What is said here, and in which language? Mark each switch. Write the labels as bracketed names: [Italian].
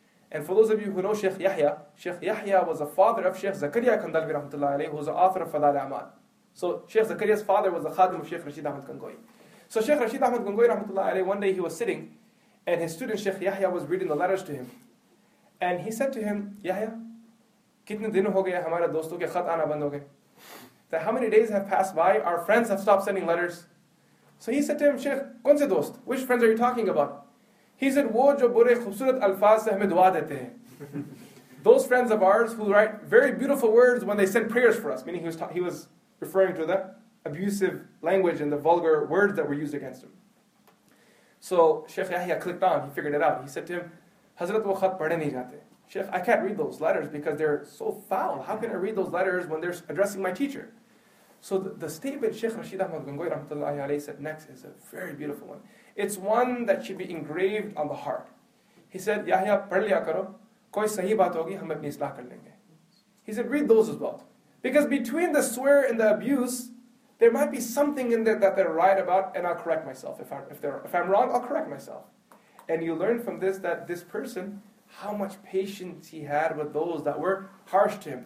[English] And for those of you who know Sheikh Yahya was the father of Sheikh Zakaria Kandalvi rahmatullahi alayhi, who was the author of Fadal Amal. So Sheikh Zakaria's father was the khadim of Sheikh Rashid Ahmad Gangohi. So Sheikh Rashid Ahmad Gangohi rahmatullahi alayhi, one day he was sitting and his student Sheikh Yahya was reading the letters to him. And he said to him, [Urdu] یحییٰ, کتنے دن ہو گئے ہمارے دوستوں کے خط آنا بند ہو گئے. [English] That how many days have passed by, our friends have stopped sending letters. So he said to him, Sheikh, [Urdu] kaun se dost? [English] Which friends are you talking about? He said, [Urdu] وہ جو بڑے خوبصورت الفاظ سے ہمیں دعا دیتے ہیں. [English] Those friends of ours who write very beautiful words when they send prayers for us. Meaning he was referring to the abusive language and the vulgar words that were used against him. So Sheikh Yahya clicked on, he figured it out. He said to him, Hazrat [Urdu] wo khat padhe nahi jate. [English] Sheikh, I can't read those letters because they're so foul. How can I read those letters when they're addressing my teacher? So the statement Sheikh Rashid Ahmad Gangohi rahmatullahi alayhi said next is a very beautiful one. It's one that should be engraved on the heart. He said, [Urdu] یحییٰ, پڑھ لیا کرو, کوئی صحیح بات ہوگی, ہم اپنی اصلاح کر لیں گے. [English] He said, read those as well. Because between the swear and the abuse, there might be something in there that they're right about, and I'll correct myself. If I'm wrong, I'll correct myself. And you learn from this that this person, how much patience he had with those that were harsh to him.